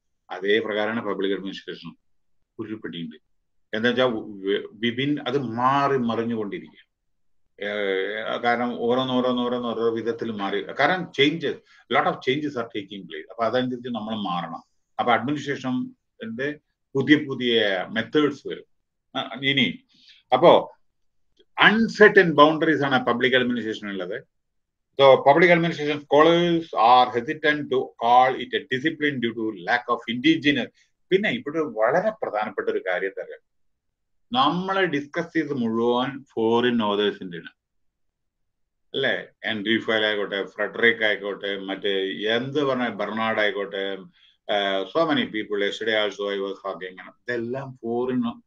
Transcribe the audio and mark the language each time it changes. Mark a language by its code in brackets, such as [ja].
[ml] അതേ പ്രകാരമാണ് public administration ഉരുപിടിയുണ്ട്. എന്താ വെച്ചാൽ വിഭിന്ന അത് മാറി മറിഞ്ഞുകൊണ്ടിരിക്കുക, കാരണം ഓരോന്നോരോ വിധത്തിൽ മാറി, കാരണം changes, [en] Lot of changes are taking place. [ml] അപ്പൊ അതനുസരിച്ച് നമ്മൾ മാറണം. അപ്പൊ അഡ്മിനിസ്ട്രേഷൻ്റെ പുതിയ പുതിയ മെത്തേഡ്സ് വരും ഇനി. അപ്പോ [en] uncertain boundaries on a public administration. So public administration scholars are hesitant to call it a discipline due to lack of indigenous. [ml] പിന്നെ ഇവിടെ വളരെ പ്രധാനപ്പെട്ട ഒരു കാര്യത്തെ നമ്മൾ ഡിസ്കസ് ചെയ്ത് മുഴുവൻ ഫോറിൻ ഓതേഴ്സിൻ്റെ ആണ് അല്ലേ. ആൻഡ്രി ഫയൽ ആയിക്കോട്ടെ, ഫ്രെഡറിക് ആയിക്കോട്ടെ, മറ്റേ എന്ത് പറഞ്ഞ ബെർണാർഡ് ആയിക്കോട്ടെ, [en] so many people yesterday also I was talking, [ml] ഇതെല്ലാം ഫോറിൻ.